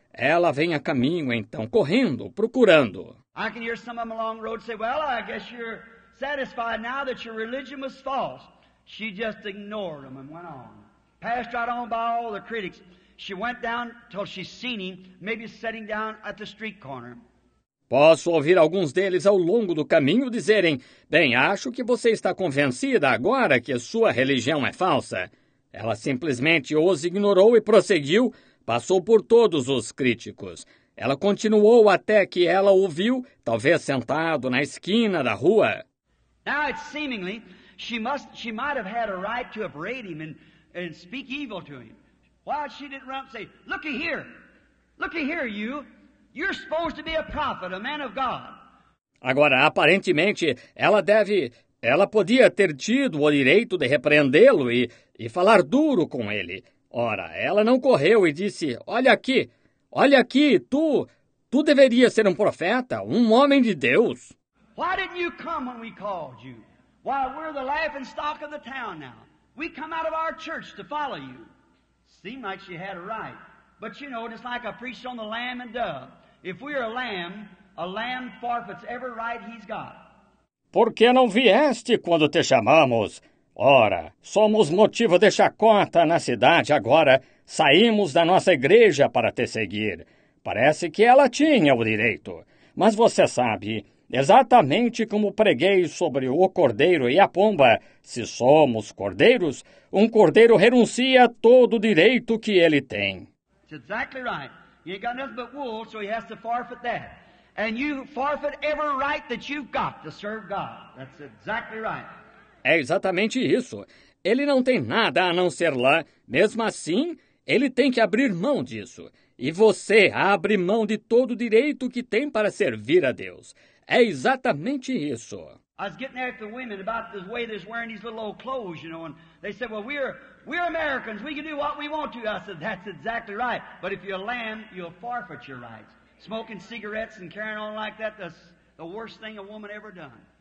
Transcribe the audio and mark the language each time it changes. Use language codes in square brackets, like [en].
[pt] Ela vem a caminho, então, correndo, procurando. [en] I can hear some of them along the road say, "Well, I guess you're satisfied now that your religion was false." She just ignored them and went on. Passed right on by all the critics. She went down till she seen him, maybe sitting down at the street corner. [pt] Posso ouvir alguns deles ao longo do caminho dizerem, "Bem, acho que você está convencida agora que a sua religião é falsa." Ela simplesmente os ignorou e prosseguiu, passou por todos os críticos. Ela continuou até que ela o viu, talvez sentado na esquina da rua. [en] Now it's seemingly, she might have had a right to upbraid him and speak evil to him. Why she didn't run and say, "Looky here, you. You're supposed to be a prophet, a man of God." [pt] Agora, aparentemente, ela podia ter tido o direito de repreendê-lo e falar duro com ele. Ora, ela não correu e disse, olha aqui, tu deveria ser um profeta, um homem de Deus. [en] Why didn't you come when we called you? Why, we're the laughing stock of the town now. We come out of our church to follow you. Seemed like she had a right. But you know, just like I preached on the lamb and dove. If we're a lamb forfeits every right he's got. [pt] Por que não vieste quando te chamamos? Ora, somos motivo de chacota na cidade agora. Saímos da nossa igreja para te seguir. Parece que ela tinha o direito. Mas você sabe, exatamente como preguei sobre o cordeiro e a pomba, se somos cordeiros, um cordeiro renuncia a todo o direito que ele tem. [en] It's exactly right. You ain't got nothing but wool, so he has to forfeit that. And you forfeit every right that you've got to serve God. That's exactly right. [pt] É exatamente isso. Ele não tem nada a não ser lá. Mesmo assim, ele tem que abrir mão disso. E você abre mão de todo o direito que tem para servir a Deus. É exatamente isso. [en] I was getting after women about the way they're wearing these little old clothes, you know, and they said, well, we're Americans, we can do what we want to. I said, that's exactly right. But if you're a lamb, you'll forfeit your rights. Smoking cigarettes and carrying on like that, that's the worst thing a woman ever done.